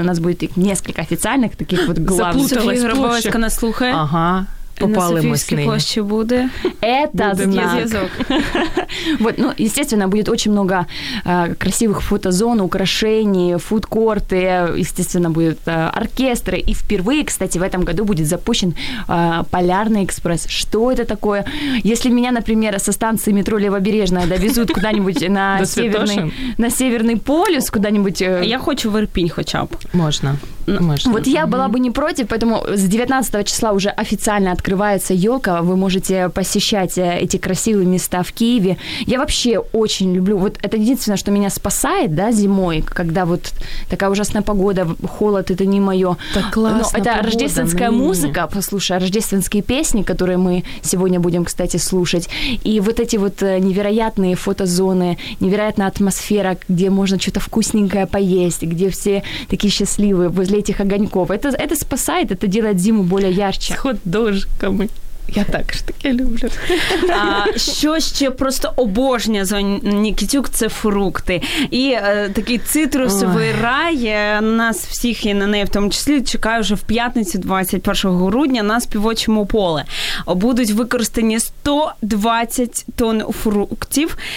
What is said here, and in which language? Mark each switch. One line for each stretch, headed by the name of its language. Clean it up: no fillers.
Russian: У нас будет несколько официальных таких вот главных. Запуталась Гробовецька, нас слухает. Ага.
Ukrainian: Попали на Софійській площі буде.
Russian: Это знак. Вот, ну, естественно, будет очень много красивых фотозон, украшений, фудкорты, естественно, будут оркестры. И впервые, кстати, в этом году будет запущен Полярный экспресс. Что это такое? Если меня, например, со станции метро Левобережная довезут куда-нибудь на Северный полюс, куда-нибудь... Я хочу в Ирпень хотя бы. Можно. Можно. Вот я была бы не против, поэтому с 19 числа уже официально открывается елка, вы можете посещать эти красивые места в Киеве. Я вообще очень люблю, вот это единственное, что меня спасает, да, зимой, когда вот такая ужасная погода, холод, это не мое. Так классно. Но это погода, рождественская музыка, послушай, рождественские песни, которые мы сегодня будем, кстати, слушать. И вот эти вот невероятные фотозоны, невероятная атмосфера, где можно что-то вкусненькое поесть, где все такие счастливые, для этих огоньков. Это спасает, это делает зиму более ярче. С хот-дожками.
Ukrainian: Я так ж таке люблю. А що ще просто обожнює Зоя Нікітюк, це фрукти. І такий цитрусовий рай нас всіх і на неї в тому числі чекає вже в п'ятницю 21 грудня на співочому полі. Будуть використані 120 тонн фруктів.